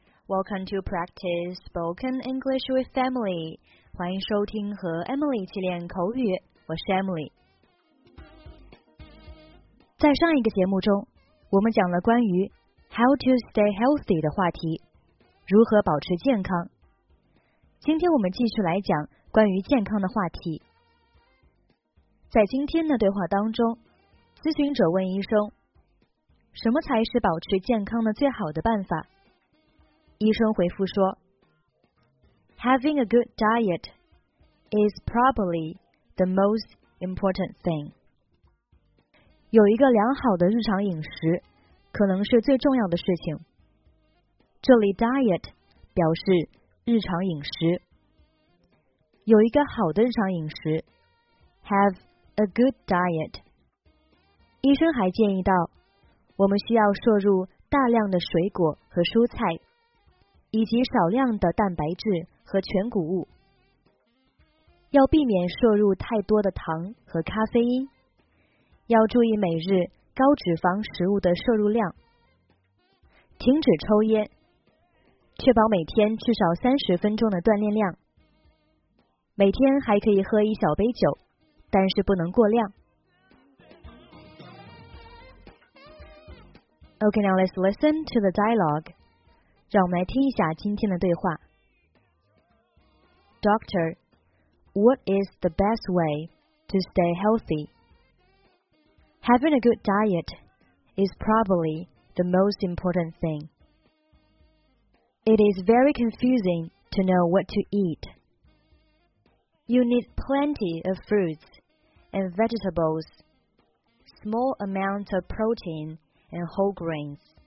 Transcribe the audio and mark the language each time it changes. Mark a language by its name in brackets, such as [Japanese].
[English] Welcome to practice spoken English with Emily. [Chinese] 欢迎收听和 Emily 一起练口语。我是 Emily。在上一个节目中，我们讲了关于 [English] how to stay healthy [Chinese] 的话题，如何保持健康。今天我们继续来讲关于健康的话题。在今天的对话当中，咨询者问医生，什么才是保持健康的最好的办法？医生回复说 [English] Having a good diet is probably the most important thing. [Chinese] 有一个良好的日常饮食可能是最重要的事情。这里 diet 表示日常饮食。有一个好的日常饮食 [English] Have a good diet. [Chinese] 医生还建议到，我们需要摄入大量的水果和蔬菜，以及少量的蛋白质和全谷物。要避免摄入太多的糖和咖啡因，要注意每日高脂肪食物的摄入量。停止抽烟，确保每天至少30分钟的锻炼量。每天还可以喝一小杯酒，但是不能过量。 [English] Okay, now let's listen to the dialogue. [Chinese] 让我们来听一下今天的对话。 [English] Doctor, what is the best way to stay healthy? Having a good diet is probably the most important thing. It is very confusing to know what to eat. You need plenty of fruits and vegetables, small amounts of protein,and whole grains.